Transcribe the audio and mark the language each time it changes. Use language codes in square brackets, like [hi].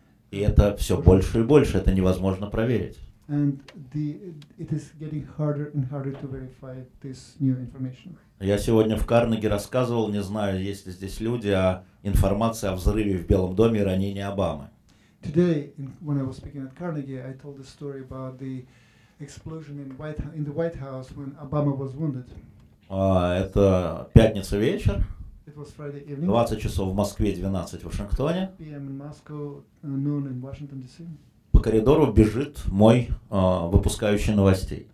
[ru] И это все больше и больше, это невозможно проверить. [en] and the it is getting harder and harder to verify this new information. [ru] Я сегодня в Карнеге рассказывал, не знаю, есть ли здесь люди, о информации о взрыве в Белом доме и ранении Обамы. [en] Today, when I was speaking at Carnegie, I told the story about the explosion in the White House when Obama was wounded. [ru] Это пятница вечер. [en] It was Friday evening. [ru] 20 часов в Москве, 12 в Вашингтоне. [en] PM in Moscow, noon in Washington DC. [ru] По коридору бежит мой выпускающий новостей.